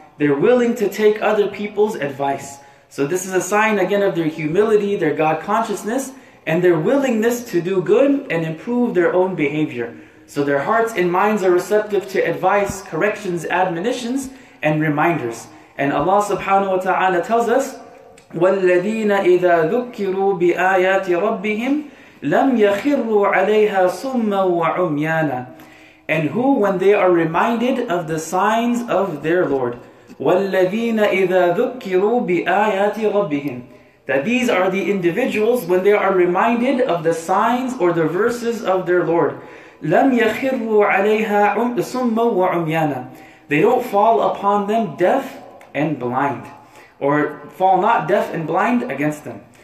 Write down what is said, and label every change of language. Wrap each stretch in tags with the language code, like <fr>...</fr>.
<en>They're willing to take other people's advice. So this is a sign again of their humility, their God consciousness, and their willingness to do good and improve their own behavior. So their hearts and minds are receptive to advice, corrections, admonitions, and reminders. And Allah subhanahu wa ta'ala tells us,</en> <ar>وَالَّذِينَ إِذَا ذُكِّرُوا بِآيَاتِ رَبِّهِمْ لَمْ يَخِرُّوا عَلَيْهَا سُمَّا وَعُمْيَانًا.</ar> <en>And who, when they are reminded of the signs of their Lord,</en> <ar>وَالَّذِينَ إِذَا ذُكِّرُوا بِآيَاتِ رَبِّهِمْ,</ar> <en>that these are the individuals when they are reminded of the signs or the verses of their Lord,</en> <ar>لَمْ يَخِرُّوا عَلَيْهَا سُمَّا وَعُمْيَانًا,</ar> <en>they don't fall upon them deaf and blind, or fall not deaf and blind against them.</en>